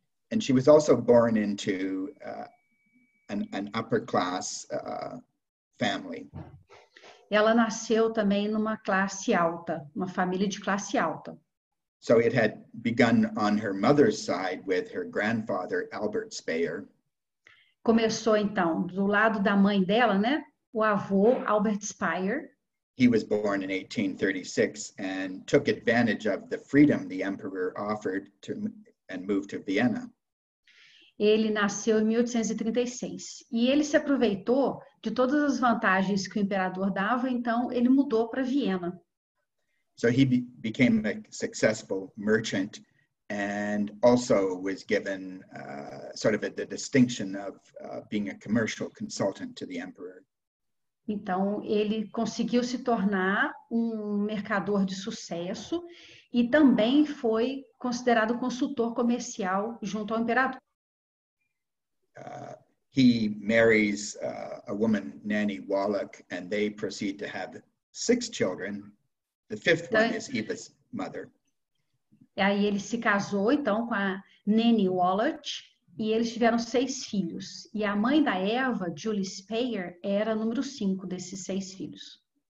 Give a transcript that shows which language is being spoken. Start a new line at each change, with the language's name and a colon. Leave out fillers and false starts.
English: And she was also born into an upper class family.
Portuguese: Ela nasceu também numa classe alta, uma família de classe alta.
English: So it had begun on her mother's side with her grandfather, Albert Speyer.
Portuguese: Começou então, do lado da mãe dela, né? O avô, Albert Speyer.
English: He was born in 1836 and took advantage of the freedom the emperor offered to and moved to Vienna.
Portuguese: Ele nasceu em 1836 e ele se aproveitou de todas as vantagens que o imperador dava, então ele mudou para Viena.
English: So he became a successful merchant and also was given the distinction of being a commercial consultant to the emperor.
Portuguese: Então, ele conseguiu se tornar um mercador de sucesso e também foi considerado consultor comercial junto ao imperador.
English: He marries a woman, Nanny Wallach, and they proceed to have six children. The fifth one is Eva's mother.
Portuguese: E aí ele se casou, então, com a Nanny Wallach, e eles tiveram seis filhos. E a mãe da Eva, Julie Speyer, era número cinco desses seis filhos.